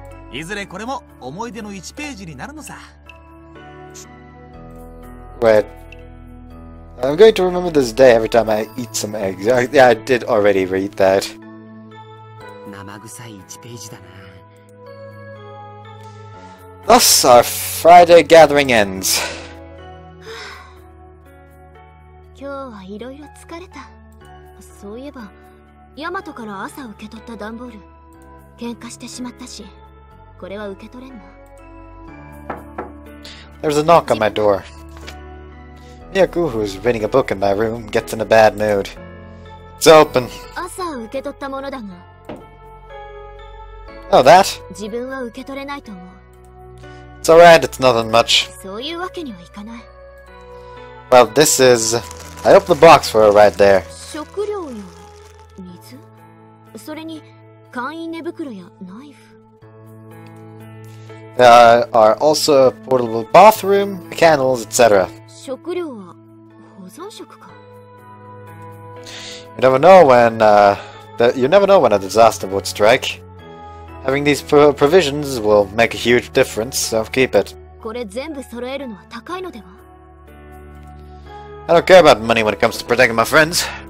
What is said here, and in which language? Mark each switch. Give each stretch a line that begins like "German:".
Japanese: いずれこれも思い出の1ページになるのさ。
English: Wait. I'm going to remember this day every time I eat some eggs. Yeah, I did already read that.
Japanese: 生臭い1ページだな。
English: Thus, our Friday gathering ends.
Japanese: 今日はいろいろ疲れた。そういえば、ヤマトから朝受け取った段ボール、喧嘩してしまったし。これは受け取れんな。
English: There's a knock on my door. Miyaku, who's reading a book in my room, gets in a bad mood. It's open.
Japanese: 朝受け取ったものだが。
English: Oh, that?
Japanese: 自分は受け取れないと思う。
English: It's alright, it's nothing much.
Japanese: そういうわけにはいかない。
English: Well, this is... I opened the box for her right there.
Japanese: 食料や水？それに簡易寝袋やナイフ。
English: There are also a portable bathroom, candles, etc.
Japanese: 食料は保存食か。
English: You never know when, you never know when a disaster would strike. Having these provisions will make a huge difference, so keep it.
Japanese: これ全部揃えるのは高いのでは?
English: I don't care about money when it comes to protecting my friends.